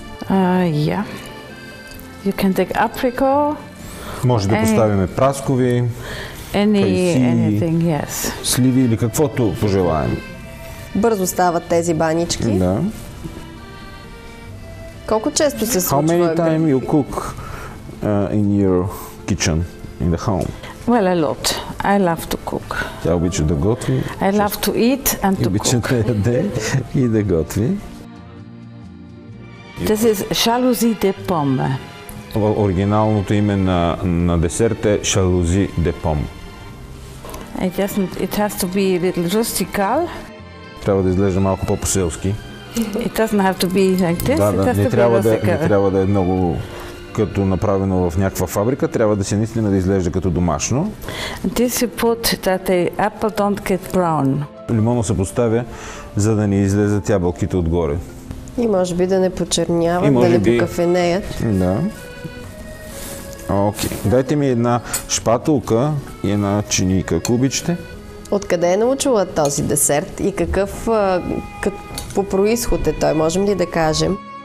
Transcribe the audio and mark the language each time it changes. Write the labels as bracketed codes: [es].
[en] You can take apricot. [bg] Може да поставим праскови, кайси, yes. Сливи или каквото пожелаем. Бързо стават тези банички. Да. Колко често се случва? [en] How many time you cook in your kitchen, in the home? Well, a lot. I love to cook. [bg] Тя обича да готви. [en] I love to eat and to cook. [bg] Обича да яде и да готви. [en] This is jalousie de pomme. [bg] оригиналното име на десерта е Шалузи де Пом. [en] It has to be a little rustical. [bg] Трябва да изглежда малко по-поселски. [en] It doesn't have to be like this. [bg] Не трябва да е много като направено в някаква фабрика, трябва да се наистина да изглежда като домашно. [en] This you put that the apple don't get brown. [bg] Лимона се поставя, за да не излезат ябълките отгоре. И може би да не почерняват, да не покафенеят. Да. Окей. Дайте ми една шпатулка и една чиника, ако обичате. Откъде е научила този десерт и какъв по произход е той, можем ли да кажем?